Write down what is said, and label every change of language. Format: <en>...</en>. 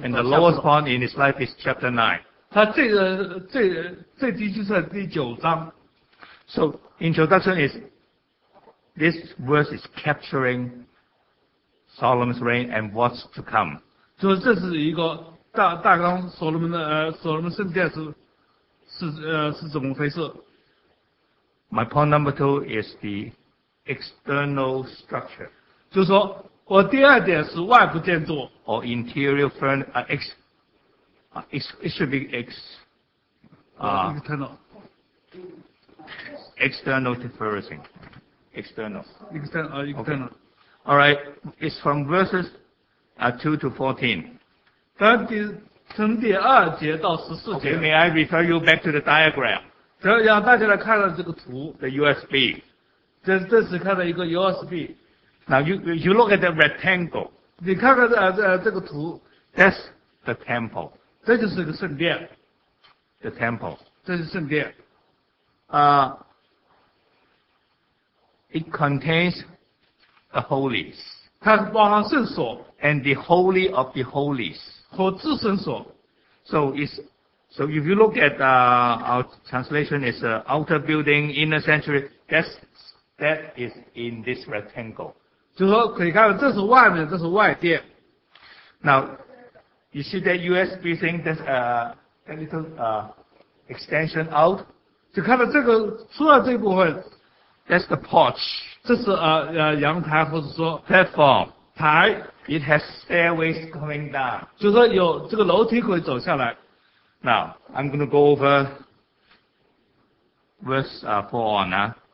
<en>And the lowest point in his life is chapter 9.</en> <zh>他最低就是第九章。</zh> <en>So introduction is, this verse is capturing Solomon's reign and what's to come.</en> <zh>就这是一个大纲所罗门的所罗门圣殿是怎么回事。</zh> <en>My point number two is the external structure.</en> <zh>就是说我第二点是外部建筑。</zh> <en>Or interior furniture, it should be external. External to furnishing. External. External. Okay. Alright, it's from verses 2 to 14.</en> <zh>从第二节到十四节。</zh> <en>Okay, may I refer you back to the diagram?</en> <zh>让大家来看到这个图。</zh> <en>The USB.</en> <zh>这是看到一个 USB。</zh> <en>Now you look at the rectangle.</en> <zh>你看看这个图。</zh> <en>That's the temple.</en> <zh>这就是一个圣殿。</zh> <en>The temple.</en> <zh>这是圣殿。</zh> <en>It contains the holies.</en> <zh>它包含圣所。</zh> <en>And the holy of the holies.</en> <zh>和至圣所。</zh> <en>So if you look at our translation, it's an outer building, inner sanctuary. That is in this rectangle.</en> <zh>就是说可以看到这是外面这是外殿。</zh> <en>Now, you see that USB thing, that's a little extension out.</en> <zh>就看到这个出来这部分。</zh> <en>That's the porch.</en> <zh>这是阳台或者说。</zh> <en>Platform.</en> <zh>台。</zh> <en>It has stairways coming down.</en> <zh>就是说有这个楼梯可以走下来。</zh> <en>Now, I'm going to go over verse 4 on now.</en>